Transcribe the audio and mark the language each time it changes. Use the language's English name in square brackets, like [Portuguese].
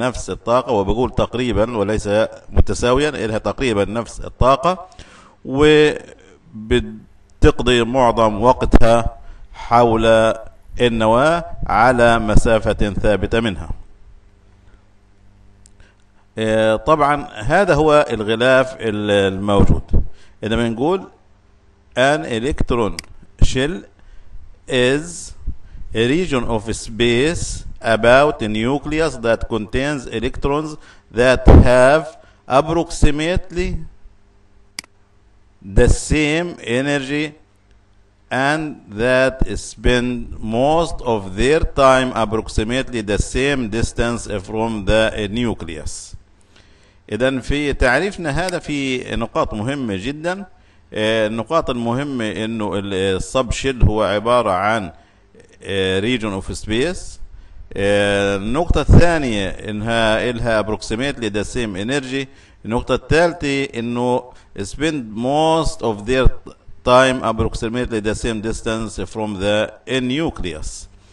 [Arabic] الطاقة وبقول تقريبا وليس متساويا، إلها تقريبا نفس الطاقة، وبتقضي معظم وقتها حول النواة على مسافة ثابتة منها. طبعا هذا هو الغلاف الموجود. إذا بنقول [English] an electron shell is a region of space about a nucleus that contains electrons that have approximately the same energy and that spend most of their time approximately the same distance from the nucleus. [Arabic] إذن في تعريفنا هذا في نقاط مهمة جدا. النقاط المهمة إنه الصب شيلد هو عبارة عن [English] region of space. [Arabic] النقطة الثانية انها الها [English] approximately the same energy. [Arabic] النقطة الثالثة انه [English] spend most of their time approximately the same distance from the nucleus.